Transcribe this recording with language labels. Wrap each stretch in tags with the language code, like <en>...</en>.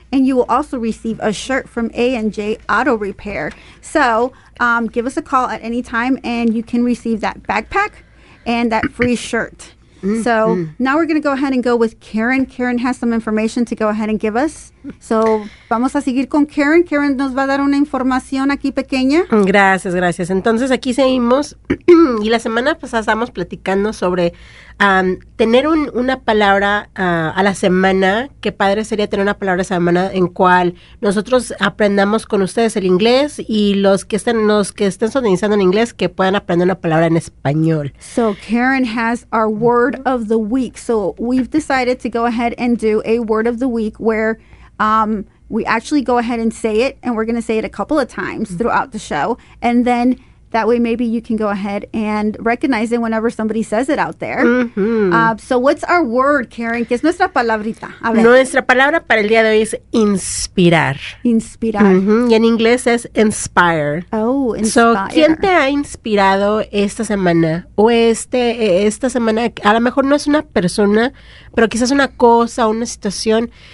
<en>And you will also receive a shirt from A&J Auto Repair. So give us a call at any time and you can receive that backpack and that free shirt. So now we're going to go ahead and go with Karen. Karen has some information to go ahead and give us.</en> <es>So vamos a seguir con Karen. Karen nos va a dar una información aquí pequeña. Gracias, gracias. Entonces aquí seguimos. Y la semana pasada estábamos platicando sobre tener una palabra a la semana. Qué padre sería tener una palabra a la semana en cual nosotros aprendamos con ustedes el inglés y los que estén sintonizando en inglés que puedan aprender una palabra en español.</es> <en>So Karen has our word of the week. So we've decided to go ahead and do a word of the week where we actually go ahead and say it, and we're going to say it a couple of times throughout the show, and then that way maybe you can go ahead and recognize it whenever somebody says it out there. Mm-hmm. So what's our word, Karen?</en> <es>¿Qué es nuestra palabrita? A ver. Nuestra palabra para el día de hoy es inspirar. Inspirar. Mm-hmm. Y en inglés es inspire.</es> <en>Oh, inspire.</en> <es>So, ¿quién te ha inspirado esta semana? O esta semana, a lo mejor no es una persona, pero quizás una cosa, una situación.</es>